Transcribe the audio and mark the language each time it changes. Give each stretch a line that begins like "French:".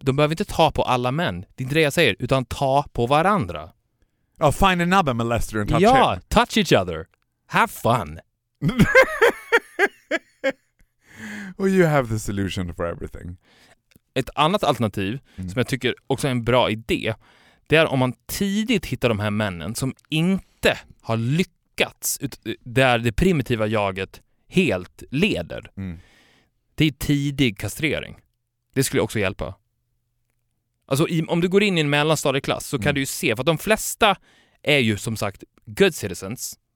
Swedish: De behöver inte ta på alla män. Det är inte det jag säger. Utan ta på varandra.
English: Oh, find another molester and touch him. Ja, touch each other. Have fun. Well, you have the solution for everything.
Swedish: Ett annat alternativ som jag tycker också är en bra idé, det är om man tidigt hittar de här männen som inte har lyckats där det primitiva jaget helt leder. Mm. Det är tidig kastrering. Det skulle också hjälpa. Alltså, om du går in i en mellanstadieklass så kan du ju se, för att de flesta är ju som sagt
English: good citizens.